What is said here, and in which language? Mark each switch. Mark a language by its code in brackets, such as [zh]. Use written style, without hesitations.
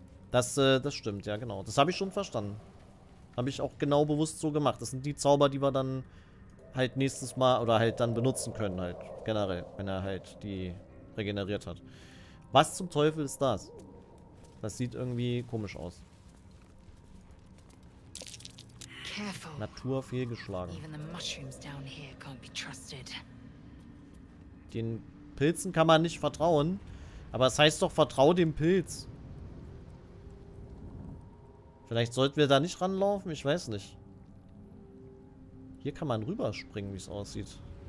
[de] Das stimmt. Ja, genau. Das habe ich schon verstanden. Habe ich auch genau bewusst so gemacht. Das sind die Zauber, die wir dann... halt nächstes Mal oder halt dann benutzen können halt generell, wenn er halt die regeneriert hat. Was zum Teufel ist das? Das sieht irgendwie komisch aus. [en] Careful. [de] Natur fehlgeschlagen. [en] Even the mushrooms down here can't be trusted. [de] Den Pilzen kann man nicht vertrauen, aber es heißt doch, vertrau dem Pilz. Vielleicht sollten wir da nicht ranlaufen, ich weiß nicht. Hier kann man rüberspringen, wie es aussieht.